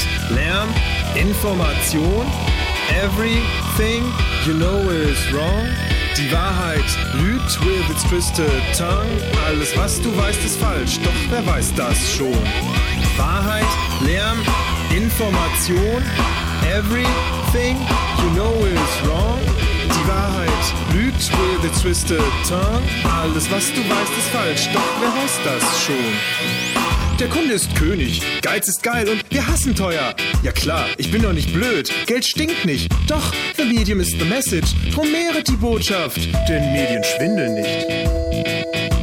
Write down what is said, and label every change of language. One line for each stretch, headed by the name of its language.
German: Lärm, Information,
English: everything you know is wrong.
German: Die Wahrheit lügt
English: with its twisted tongue.
German: Alles, was du weißt, ist falsch, doch wer weiß das schon? Wahrheit, Lärm, Information,
English: everything you know is wrong.
German: Die Wahrheit lügt
English: with its twisted tongue.
German: Alles, was du weißt, ist falsch, doch wer weiß das schon? Der Kunde ist König, Geiz ist geil und wir hassen teuer. Ja klar, ich bin doch nicht blöd, Geld stinkt nicht. Doch,
English: the medium is the message,
German: drum mehret die Botschaft, denn Medien schwindeln nicht.